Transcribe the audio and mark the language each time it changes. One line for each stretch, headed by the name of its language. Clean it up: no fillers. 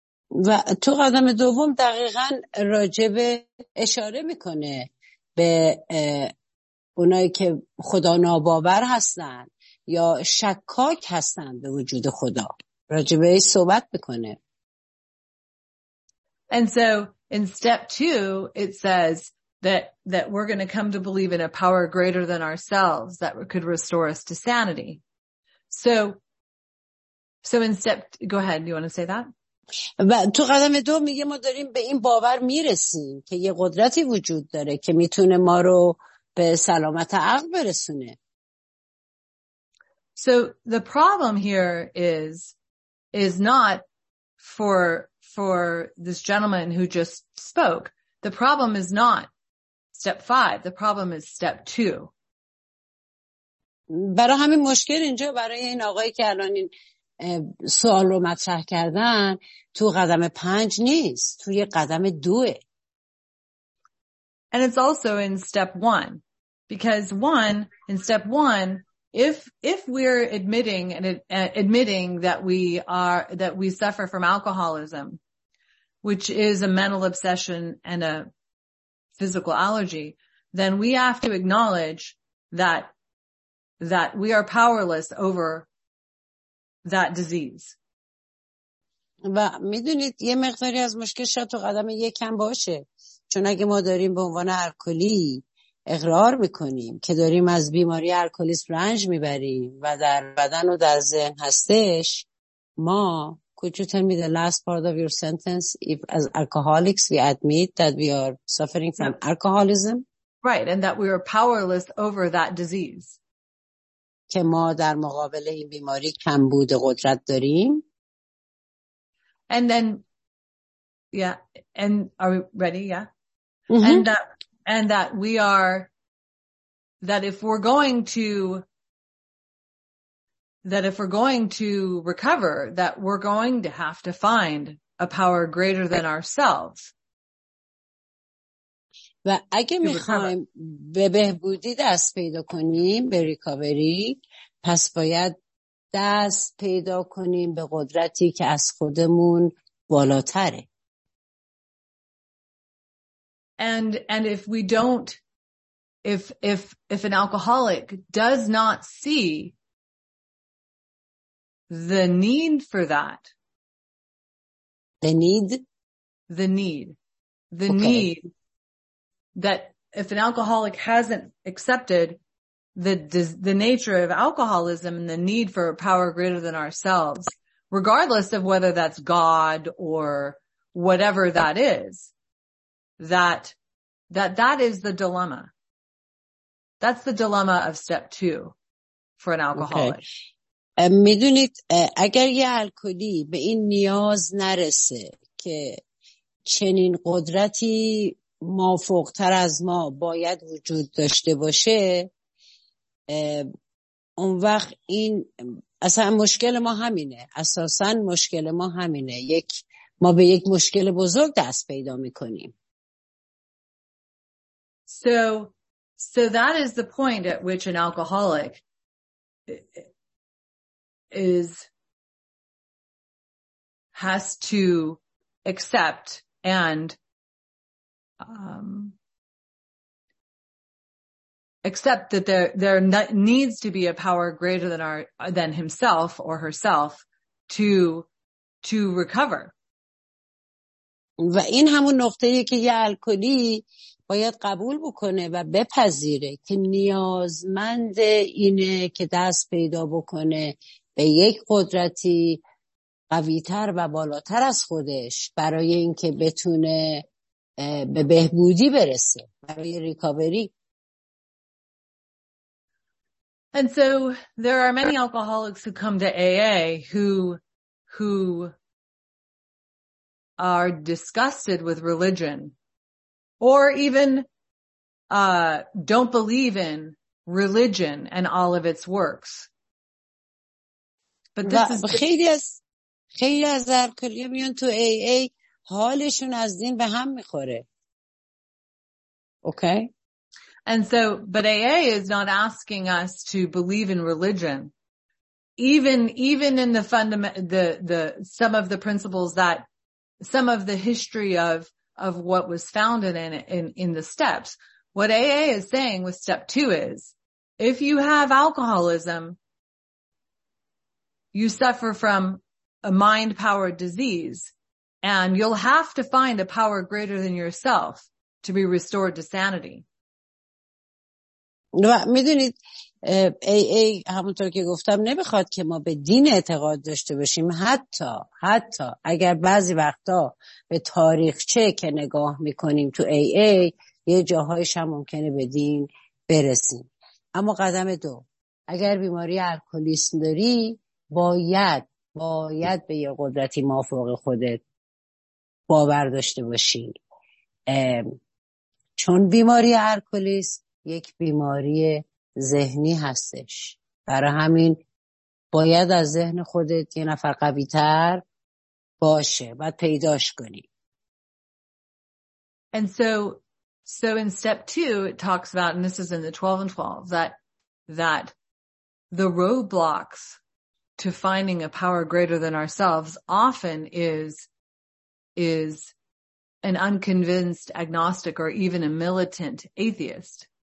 Persian: و تو قدم دوم دقیقاً راجب اشاره میکنه به اونایی که خدا ناباور هستن یا شکاک هستن به وجود خدا، راجب این صحبت میکنه.
English: And so in step two, it says that we're going to come to believe in a power greater than ourselves that could restore us to sanity. So in step, go ahead, you want to say that?
Persian: و تو قدم دو میگه ما داریم به این باور میرسیم که یه قدرتی وجود داره که میتونه ما رو به سلامت عقل برسونه.
English: So the problem here is not for this gentleman who just spoke. The problem is not step five. The problem is step two.
Persian: برای همین مشکل اینجا برای این آقایی که الان این سوال رو مطرح کردن تو قدم پنج نیست، توی قدم دوه.
English: And it's also in step one. Because one, in step one, if we're admitting that we suffer from alcoholism, which is a mental obsession and a physical allergy, then we have to acknowledge that we are powerless over that disease.
Persian: و میدونید یه مقداری از مشکل شاید تو قدم یکم باشه، چون اگه ما داریم به عنوان الکلی اقرار میکنیم که داریم از بیماری الکلیسم رنج میبریم و در بدن و در ذهن هستش، ما
English: could you tell me the last part of your sentence, if as alcoholics we admit that we are suffering from alcoholism, right, and that we are powerless over that disease,
Persian: که ما در مقابل این بیماری کم بود قدرت داریم.
English: And then, yeah, and are we ready? Yeah. Mm-hmm. And that we are, that if we're going to recover, that we're going to have to find a power greater than ourselves.
Persian: و اگه میخوایم به بهبودی دست پیدا کنیم، به ریکاوری، پس باید دست پیدا کنیم به قدرتی که از خودمون بالاتره.
English: And if we don't, if an alcoholic does not see the need for that, the need that if an alcoholic hasn't accepted the nature of alcoholism and the need for a power greater than ourselves, regardless of whether that's God or whatever that is, that is the dilemma. That's the dilemma of step two for an alcoholic.
Persian: میدونید اگر یه الکلی به این نیاز نرسه که چنین قدرتی مافوق‌تر از ما باید وجود داشته باشه، اون وقت این اصلا مشکل ما همینه. اساساً مشکل ما همینه. ما به یک مشکل بزرگ دست پیدا می‌کنیم.
English: So that is the point at which an alcoholic has to accept and accept that there needs to be a power greater than himself or herself to recover.
Persian: و این همون نقطه‌ایه که یه الکلی باید قبول بکنه و بپذیره که نیازمند اینه که دست پیدا بکنه به یک قدرتی قوی‌تر و بالاتر از خودش برای اینکه بتونه به بهبودی برسه، برای ریکاوری.
English: And so there are many alcoholics who come to AA who are disgusted with religion or even don't believe in religion and all of its works. But this is
Persian: خیلی از ارکلیه میان تو AA حالشون از دین به هم میخوره.
English: Okay. And so, but AA is not asking us to believe in religion. Even in the some of the principles that, some of the history of what was founded in the steps. What AA is saying with step two is, if you have alcoholism, you suffer from a mind-powered disease, and you'll have to find a power greater than yourself to be restored to sanity.
Persian: و میدونید AA همونطور که گفتم نمیخواد که ما به دین اعتقاد داشته باشیم، حتی اگر بعضی وقتا به تاریخچه که نگاه میکنیم تو AA یه جاهایش هم ممکنه به دین برسیم. اما قدم دو، اگر بیماری الکلیسم داری باید به یه قدرتی مافوق خودت باور داشته باشی، چون بیماری الکلیسم یک بیماری ذهنی هستش. برای همین باید از ذهن خودت یه نفر قوی تر باشه و پیداش کنی.
English: And so in step two it talks about, and this is in the 12 and 12, that the roadblocks to finding a power greater than ourselves often is an unconvinced agnostic or even a militant atheist.